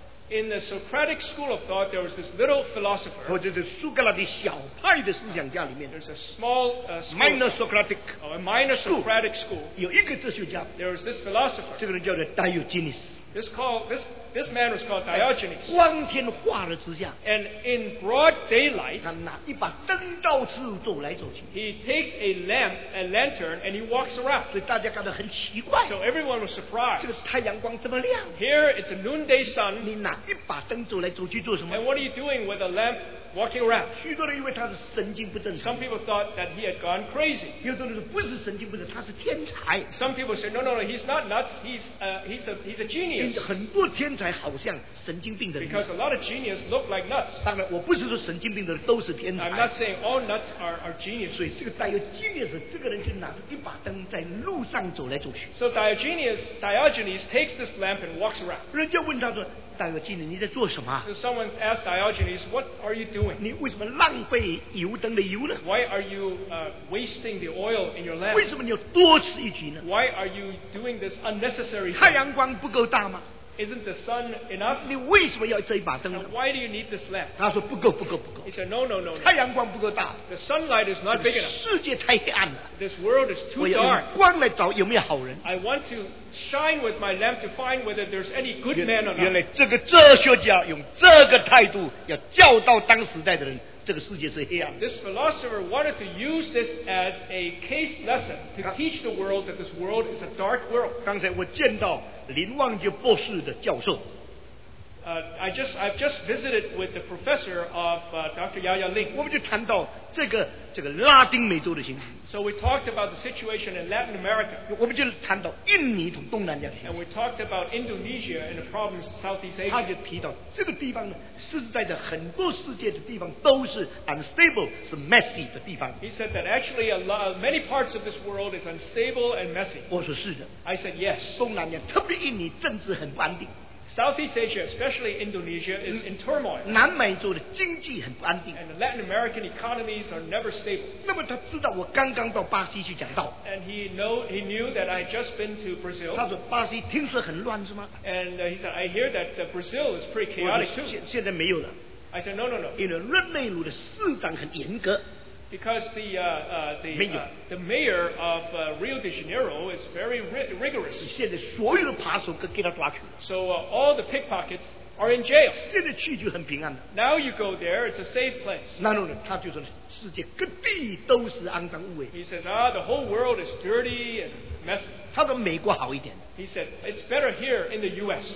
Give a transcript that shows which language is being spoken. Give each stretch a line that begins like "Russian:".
English: In the Socratic school of thought, there was this little philosopher.
Chinese: 或者是苏格拉底小派的思想家里面。
English: There's a small school. Minor Socratic. A minor Socratic school.
Chinese: 有一个哲学家。
English: There was this philosopher.
Chinese: 这个人叫做 Diogenes.
English: This man was called Diogenes.
Chinese: 光天化日之下,
English: and in broad daylight,
Chinese: 他拿一把灯罩子走来走去,
English: he takes a lamp, a lantern, and he walks around.
Chinese: 所以大家感到很奇怪,
English: so everyone was surprised.
Chinese: 这个太阳光这么亮,
English: here it's a noonday sun.
Chinese: 你拿一把灯走来走去做什么?
English: And what are you doing with a lamp walking around?
Chinese: 许多人以为他是神经不正常,
English: some people thought that he had gone crazy.
Chinese: 有的人说不是神经不正常, 他是天才,
English: some people said, no, he's not nuts, he's a genius.
Chinese: 很多天才好像神经病的人。
English: Because a lot of genius look like nuts.
Chinese: 当然，我不是说神经病的人都是天才。
English: I'm not saying all nuts are genius.
Chinese: 所以这个 Diogenes 这个人就拿着一把灯在路上走来走去。
English: So Diogenes takes this lamp and walks around.
Chinese: 人家问他说。Diogenes, 你在做什么?
English: So someone asked Diogenes, what are you doing?
Chinese: 你为什么浪费油灯的油呢?
English: Why are you wasting the oil in your lamp?
Chinese: 为什么你要多此一举呢?
English: Why are you doing this unnecessary thing?
Chinese: 太阳光不够大吗?
English: Isn't the sun enough?
Chinese: 你为什么要这一把灯呢?
English: And why do you need this lamp?
Chinese: 他说不够不够不够。
English: He said, no.
Chinese: 太阳光不够大。
English: The sunlight is not big enough.
Chinese: 世界太黑暗了。
English: This world is too dark.
Chinese: 我要用光来找有没有好人。
English: I want to... shine with my lamp to find whether there's any good man or not.
Chinese: 原来这个哲学家用这个态度要教导当时代的人，这个世界是黑暗。
English: This philosopher wanted to use this as a case lesson to teach the world that this world is a dark world.
Chinese: 刚才我见到林旺杰博士的教授。
English: I've just visited with the professor of Dr. Yao Yao Ling.
Chinese: 我们就谈到这个拉丁美洲的情形。
English: So we talked about the situation in Latin America.
Chinese: 我们就谈到印尼同东南亚的情形。
English: And we talked about Indonesia and the problems in Southeast Asia.
Chinese: 他就提到这个地方呢，实实在在很多世界的地方都是
English: unstable,
Chinese: 是
English: messy
Chinese: 的地方。
English: He said that actually many parts of this world is unstable and messy.
Chinese: 我说是的。
English: I said yes.
Chinese: 东南亚，特别印尼，政治很不安定。
English: Southeast Asia, especially Indonesia, is in turmoil.
Chinese: 南美洲的经济很不安定。
English: And the Latin American economies are never stable.
Chinese: 那么他知道我刚刚到巴西去讲道。
English: And he knew that I had just been to Brazil.
Chinese: 他说巴西听说很乱是吗？
English: And he said, I hear that Brazil is pretty chaotic too.
Chinese: 现在没有了。
English: I said, no.
Chinese: 因为热内卢的市长很严格。
English: Because the mayor of Rio de Janeiro is very rigorous.
Chinese: 现在所有的扒手都给他抓去了。
English: So all the pickpockets are in jail.
Chinese: 现在去就很平安了。
English: Now you go there, it's a safe place.
Chinese: 那种人他就说世界各地都是肮脏污秽。
English: He says, the whole world is dirty and messy.
Chinese: 他说美国好一点。
English: He said, it's better here in the U.S.